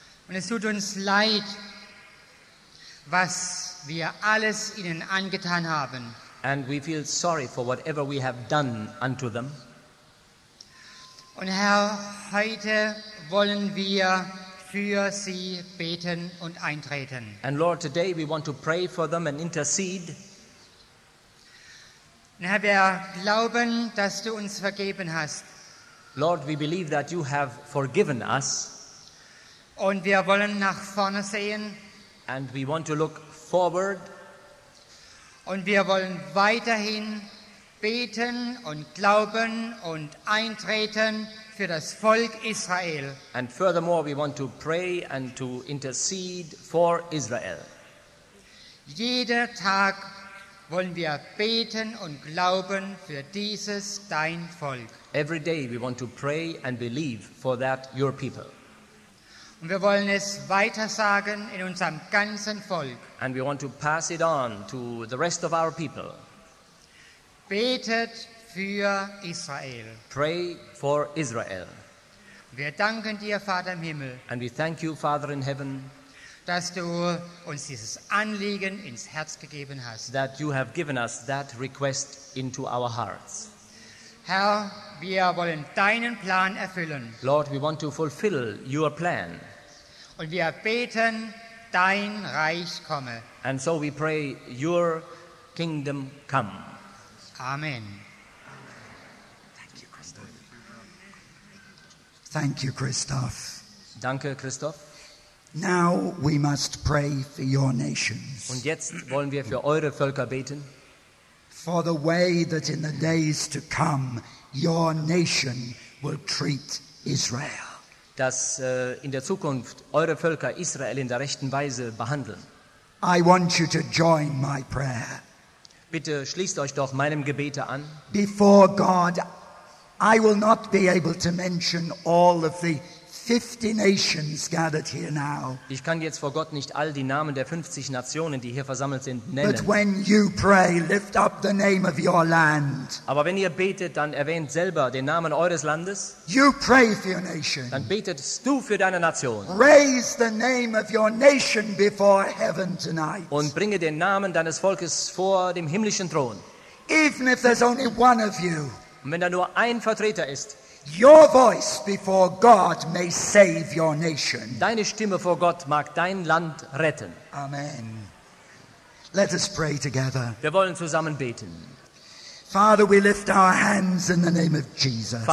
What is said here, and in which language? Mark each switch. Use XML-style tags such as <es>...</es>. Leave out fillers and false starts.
<de>Und es tut uns leid, was wir alles ihnen angetan haben.</de> <en>And we feel sorry for whatever we have done unto them.</en> <de>Und Herr, heute wollen wir für sie beten und eintreten.</de> <en>And Lord, today we want to pray for them and intercede.</en> <de>Und Herr, wir glauben, dass du uns vergeben hast.</de> <en>Lord, we believe that you have forgiven us.</en> <de>Und wir wollen nach vorne sehen.</de> <en>And we want to look forward.</en> <de>Und wir wollen weiterhin beten und glauben und eintreten für das Volk Israel.</de> <en>And furthermore, we want to pray and to intercede for Israel.</en> <de>Jeder Tag wollen wir beten und glauben für dieses dein Volk.</de> <en>Every day we want to pray and believe for that your people.</en> <de>Und wir wollen es weitersagen in unserem ganzen Volk.</de> <en>And we want to pass it on to the rest of our people.</en> <de>Betet für Israel.</de> <en>Pray for Israel.</en> <de>Wir danken dir, Vater im Himmel.</de> <en>And we thank you, Father in heaven,</en> <de>dass du uns dieses Anliegen ins Herz gegeben hast.</de> <en>That you have given us that request into our hearts.</en> <de>Herr, wir wollen deinen Plan erfüllen.</de> <en>Lord, we want to fulfill your plan.</en> <de>Und wir beten, dein Reich komme.</de> <en>And so we pray, your kingdom come. Amen. Thank you, Christoph. Thank you, Christoph.</en> <de>Danke, Christoph.</de> <en>Now we must pray for your nations.</en> <de>Und jetzt wollen wir für eure Völker beten.</de> <en>For the way that in the days to come your nation will treat Israel.</en> <de>Dass in der Zukunft eure Völker Israel in der rechten Weise behandeln.</de> <en>I want you to join my prayer.</en> <de>Bitte schließt euch doch meinem Gebete an.</de> <en>Before God, I will not be able to mention all of the 50 nations gathered here now.</en> <de>Ich kann jetzt vor Gott nicht all die Namen der 50 Nationen, die hier versammelt sind, nennen.</de> <en>But when you pray, lift up the name of your land.</en> <de>Aber wenn ihr betet, dann erwähnt selber den Namen eures Landes.</de> <en>You pray for your nation.</en> <de>Dann betest du für deine Nation.</de> <en>Raise the name of your nation before heaven tonight.</en> <de>Und bringe den Namen deines Volkes vor dem himmlischen Thron.</de> <en>Even if there's only one of you.</en> <de>Und wenn da nur ein Vertreter ist.</de> <en>Your voice before God may save your nation.</en> <de>Deine Stimme vor Gott mag dein Land retten.</de> <en>Amen. Let us pray together.</en> <de>Wir wollen zusammen beten.</de> <en>Father, we lift our hands in the name of Jesus.</en>